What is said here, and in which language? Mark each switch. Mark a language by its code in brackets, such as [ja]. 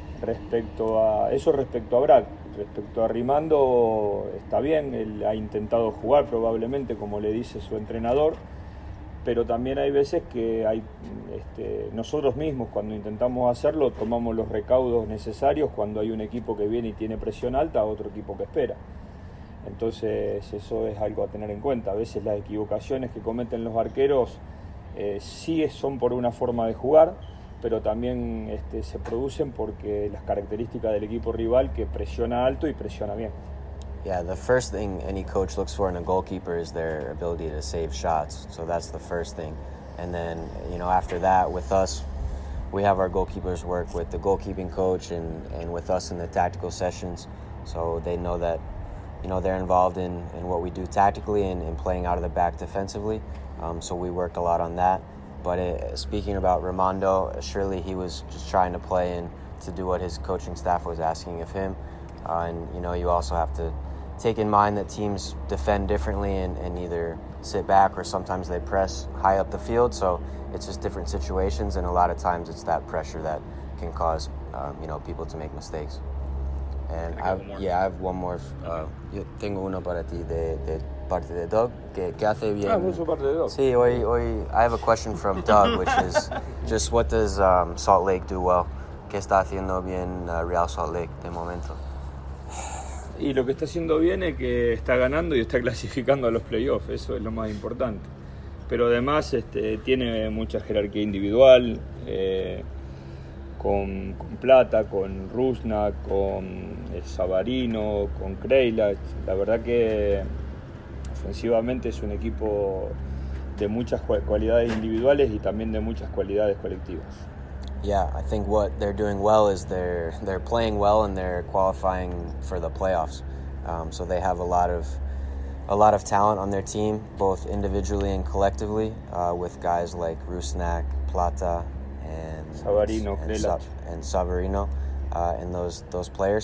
[es] Respecto a Rimando, está bien, él ha intentado jugar probablemente, como le dice su entrenador, pero también hay veces que nosotros mismos, cuando intentamos hacerlo, tomamos los recaudos necesarios cuando hay un equipo que viene y tiene presión alta a otro equipo que espera. Entonces eso es algo a tener en cuenta. A veces las equivocaciones que cometen los arqueros sí son por una forma de jugar, pero también se producen porque las características del equipo rival, que presiona alto y presiona bien. [en] Yeah, the first thing any coach looks for in a goalkeeper is their ability to save shots. So that's the first thing. And then, you know, after that, with us, we have our goalkeepers work with the goalkeeping coach and with us in the tactical sessions. So they know that, you know, they're involved in what we do tactically and in playing out of the back defensively. So we work a lot on that. But speaking about Rimando, surely he was just trying to play and to do what his coaching staff was asking of him. And, you know, you also have to take in mind that teams defend differently and either sit back or sometimes they press high up the field. So it's just different situations. And a lot of times it's that pressure that can cause, you know, people to make mistakes. And I have one more. [es] Yo tengo uno para ti de parte de Doug. ¿Qué hace bien? Ah, mucho parte de Doug. Sí, hoy [en] I have a question from Doug, which is just what does Salt Lake do well? [es] ¿Qué está haciendo bien Real Salt Lake de momento? Y lo que está haciendo bien es que está ganando y está clasificando a los playoffs. Eso es lo más importante. Pero además tiene mucha jerarquía individual, con Plata, con Rusna, con el Savarino, con Kreilach. La verdad que ofensivamente es un equipo de muchas cualidades individuales y también de muchas cualidades colectivas. [en] Yeah, I think what they're doing well is they're playing well and they're qualifying for the playoffs. So they have a lot of talent on their team, both individually and collectively, with guys like Rusnak, Plata, and Savarino, and those players.